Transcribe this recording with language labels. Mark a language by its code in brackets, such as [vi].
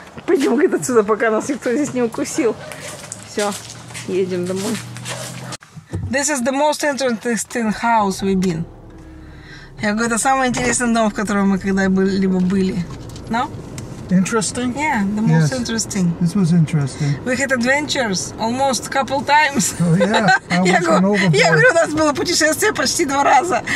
[ru] Пойдем отсюда, пока нас никто здесь не укусил. Все, едем домой. [en] This is the most interesting house we've been. [ru] Я говорю, это самый интересный дом, в котором мы когда-либо были. [en] No? Interesting? Yeah, the most interesting. This was interesting. We had adventures almost a couple times. Oh, yeah. [ru] Я говорю, у нас было путешествие почти два раза.